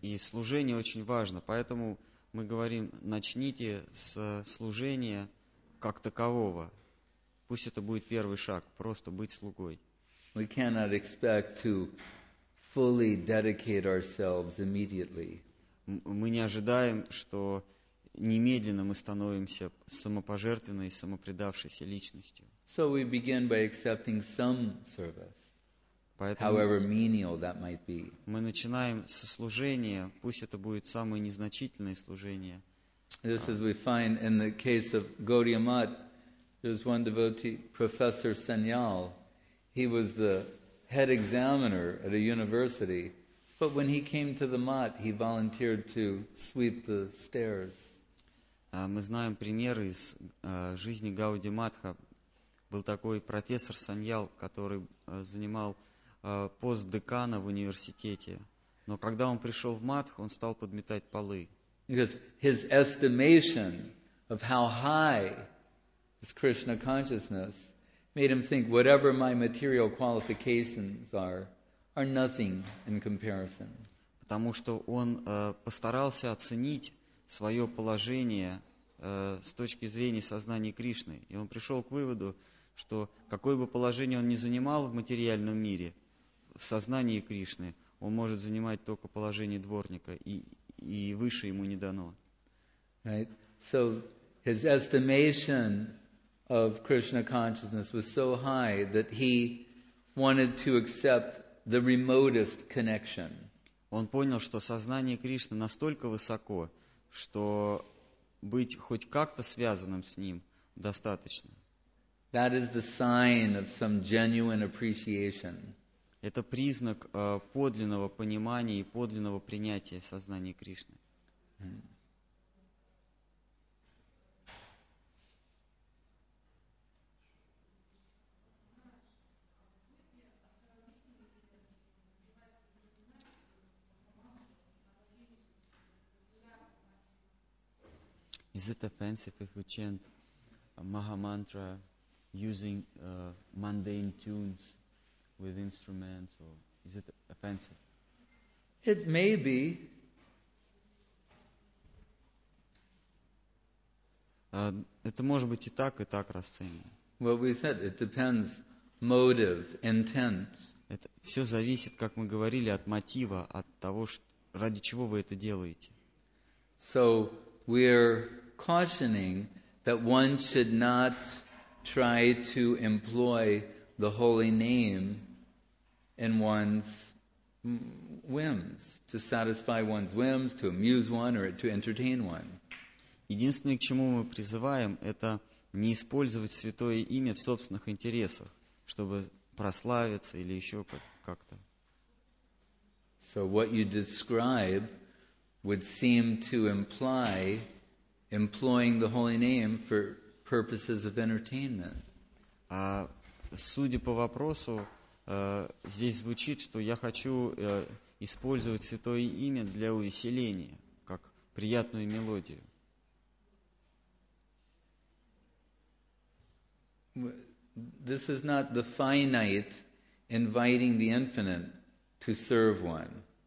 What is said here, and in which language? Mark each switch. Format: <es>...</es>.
<ru>И служение очень важно, поэтому мы говорим, начните с служения как такового. Пусть это будет первый шаг, просто быть слугой.</ru> <en>We cannot expect to fully dedicate ourselves immediately.</en> <ru>Мы не ожидаем, что немедленно мы становимся самопожертвенной, самопредавшейся личностью.</ru> <en>So we begin by accepting some service.</en> <ru>Поэтому</ru> <en>however menial that might be.</en> <ru>Мы начинаем со служения, пусть это будет самое незначительное служение.</ru> <en>This is we find in the case of Gaudiya Math, there's one devotee, Professor Sanyal. He was the head examiner at a university, but when he came to the mat, he volunteered to sweep the stairs.</en> <ru>Мы знаем пример из жизни Гауди Матха. Был такой профессор Саньял, который занимал пост декана в университете. Но когда он пришел в Матх, он стал подметать полы.</ru> <en>Because his estimation of how high is Krishna consciousness made him think whatever my material qualifications are nothing in comparison.</en> <ru>Потому что он постарался оценить свое положение с точки зрения сознания Кришны. И он пришел к выводу, что какое бы положение он ни занимал в материальном мире, в сознании Кришны, он может занимать только положение дворника, и выше ему не дано.</ru> <en>Right. So his estimation of Krishna consciousness was so high that he wanted to accept the remotest connection.</en> <ru>Он понял, что сознание Кришны настолько высоко, что быть хоть как-то связанным с ним достаточно.</ru> <en>That is the sign of some genuine appreciation.</en> <ru>Это признак подлинного понимания и подлинного принятия сознания Кришны.</ru> <en>Is it offensive if we chant a Maha Mantra using mundane tunes with instruments, or is it offensive? It may be.</en> <ru>Это может быть и так расценено.</ru> <en>What we said, it depends, motive, intent.</en> <ru>Это все зависит, как мы говорили, от мотива, от того, ради чего вы это делаете.</ru> <en>So we're cautioning that one should not try to employ the holy name in one's whims, to satisfy one's whims, to amuse one or to entertain one.</en> <ru>Единственное, к чему мы призываем, это не использовать святое имя в собственных интересах, чтобы прославиться или еще как-то.</ru> <en>So what you describe would seem to imply employing the holy name for purposes of entertainment.</en> <ru>Судя по вопросу, здесь звучит, что я хочу использовать святое имя для увеселения, как приятную мелодию.</ru> <en>This is not the finite inviting the infinite to serve one.</en>